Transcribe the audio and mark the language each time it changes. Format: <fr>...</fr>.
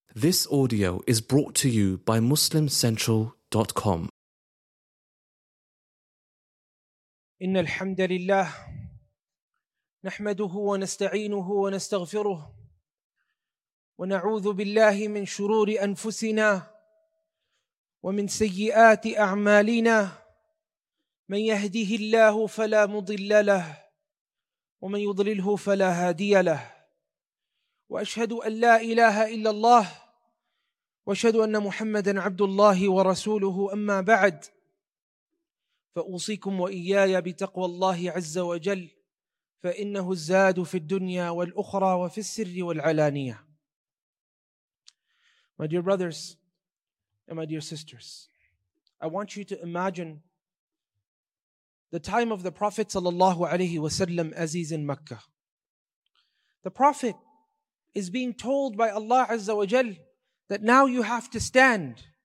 <en>This audio is brought to you by MuslimCentral.com.</en> <ar>إن الحمد لله نحمده ونستعينه ونستغفره ونعوذ بالله من شرور أنفسنا ومن سيئات أعمالنا من يهده الله فلا مضل له ومن يضلله فلا هادي له وأشهد أن لا إله إلا الله وأشهد أن محمدًا عبد الله ورسوله أما بعد فأوصيكم وإياي بتقوى الله عز وجل فإنه الزاد في الدنيا والأخرى وفي السر والعلانية.</ar> <en>My dear brothers and my dear sisters, I want you to imagine the time of the Prophet صلى الله عليه وسلم as he's in Mecca. The Prophet is being told by Allah عز وجل that now you have to stand.</en>